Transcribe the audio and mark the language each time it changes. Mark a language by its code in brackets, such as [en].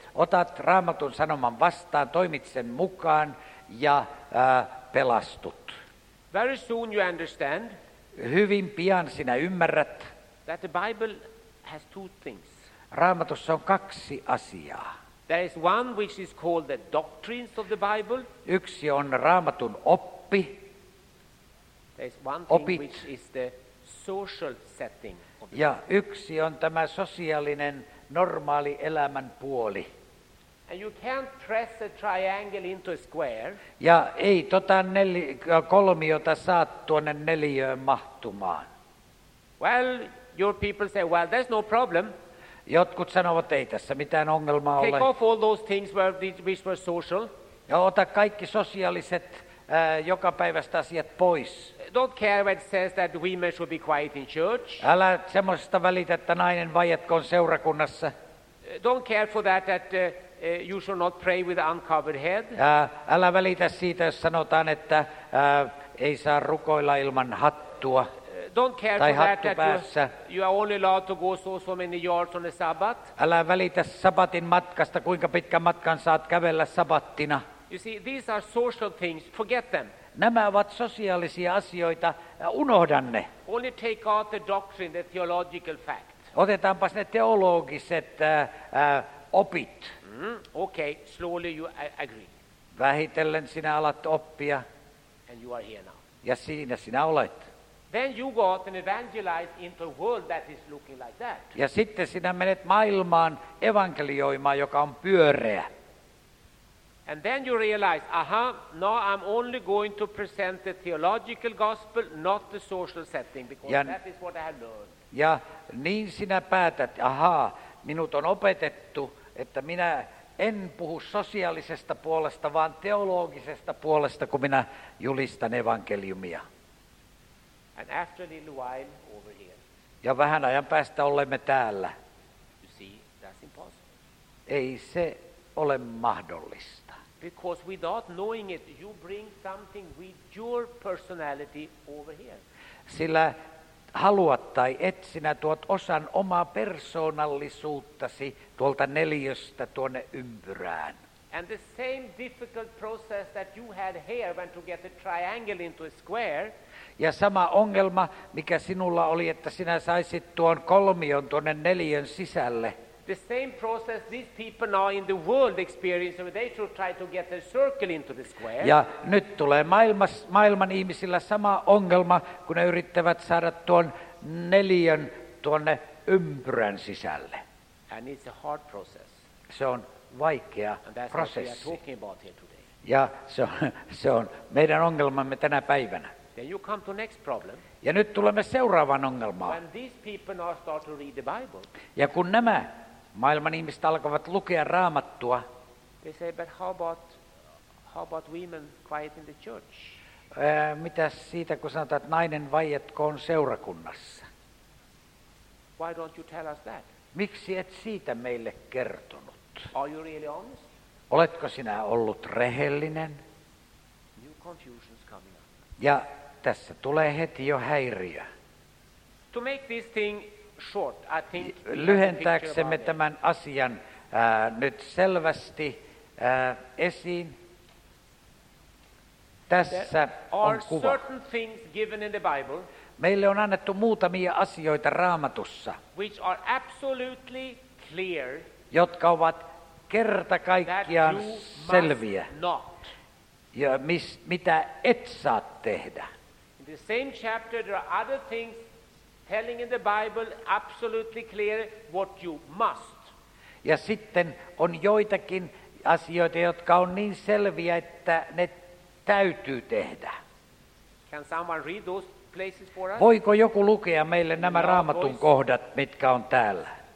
[fi] Otat raamatun sanoman vastaan, toimit sen mukaan ja pelastut. [en] Very soon you understand. [fi] Hyvin pian sinä ymmärrät. [en] That the Bible has two things. [fi] Raamatussa on kaksi asiaa. [en] There is one which is called the doctrines of the Bible. [fi] Yksi on raamatun oppi. [en] There is one thing [fi] opit. [en] Which is the social setting of the [fi] ja yksi on tämä sosiaalinen normaali elämän puoli. [en] And you can't press a triangle into a square. [fi] Ja ei tota kolmiota saa tuonne neliöön mahtumaan. [en] Well, your people say, well, there's no problem. [fi] Jotkut sanovat, ei tässä mitään ongelmaa [en] take [fi] ole. [en] Take off all those things which were social. [fi] Ja ota kaikki sosiaaliset joka päivästä asiat pois. [en] Don't care what says that women should be quiet in church. [fi] Älä semmoista välitä, että nainen vaietkoon seurakunnassa. [en] Don't care for that that you should not pray with uncovered head. [fi] Älä välitä siitä, jos sanotaan, että ei saa rukoilla ilman hattua. [en] Don't care [fi] tai [en] for that [fi] päässä. [en] That you are only allowed to go so many yards on a Sabbath. [fi] Älä välitä sabbatin matkasta, kuinka pitkän matkan saat kävellä sabbattina. [en] You see, these are social things. Forget them. [fi] Nämä ovat sosiaalisia asioita. Unohdan ne. [en] Only take out the doctrine, the theological fact. [fi] Otetaanpas ne teologiset opit. [en] Mm-hmm. Okay, slowly you agree. [fi] Vähitellen sinä alat oppia. [en] And you are here now. [fi] Ja siinä sinä olet. [en] Then you go out and evangelize into a world that is looking like that. [fi] Ja sitten sinä menet maailmaan evankelioimaan, joka on pyöreä. [en] And then you realize, aha, now I'm only going to present the theological gospel, not the social setting, because ja, that is what I have learned. [fi] Ja niin sinä päätät, aha, minut on opetettu, että minä en puhu sosiaalisesta puolesta, vaan teologisesta puolesta, kun minä julistan evankeliumia. [en] And after a little while, over here. [fi] Ja vähän ajan päästä olemme täällä. [en] You see, that's impossible. [fi] Ei se ole mahdollista. [en] Because without knowing it, you bring something with your personality over here. [fi] Sillä haluat tai et, sinä tuot osan omaa persoonallisuuttasi tuolta neliöstä tuonne ympyrään. [en] And the same difficult process that you had here when to get a triangle into a square. [fi] Ja sama ongelma, mikä sinulla oli, että sinä saisit tuon kolmion tuonne neliön sisälle. [en] The same process these people now in the world experience when they should try to get their circle into the square. [fi] Ja nyt tulee maailman ihmisillä sama ongelma, kun ne yrittävät saada tuon neliön tuonne ympyrän sisälle. [en] And it's a hard process. [fi] Se on vaikea prosessi. [en] And that's what we are talking about here today. [fi] Ja se on meidän ongelmamme tänä päivänä. [en] Then you come to next problem. [fi] Ja nyt tulemme seuraavaan ongelmaan. [en] When these people now start to read the Bible. [fi] Ja kun nämä maailman ihmiset alkavat lukea Raamattua. [en] They say, but how about women quiet in the church? [fi] Mitä siitä, kun sanotaan, että nainen vaietkoon seurakunnassa? [en] Why don't you tell us that? [fi] Miksi et siitä meille kertonut? [en] Are you really honest? [fi] Oletko sinä ollut rehellinen? [en] New confusion. [fi] Ja tässä tulee heti jo häiriö. [en] To make this thing short, I think [fi] lyhentääksemme tämän asian nyt selvästi esiin. Tässä on kuva. [en] Certain things given in the Bible, [fi] meille on annettu muutamia asioita Raamatussa, [en] which are absolutely clear, [fi] jotka ovat kerta kaikkiaan selviä. Ja mitä et saa tehdä. [en] In the same chapter there are other things telling in the Bible absolutely clear what you must. [fi] Ja sitten on joitakin asioita, jotka on niin selviä, että ne täytyy tehdä. [en] Can someone read those places for us? [fi] Voiko joku lukea meille nämä Raamatun kohdat, mitkä on täällä?